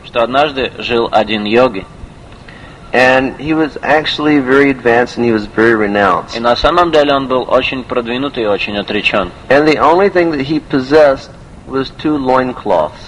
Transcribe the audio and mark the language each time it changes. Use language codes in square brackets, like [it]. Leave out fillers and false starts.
[ru] что однажды жил один йоги, [en] and he was actually very advanced and he was very renounced. [ru] И на самом деле он был очень продвинутый и очень отречен. [en] And the only thing that he possessed was two loincloths.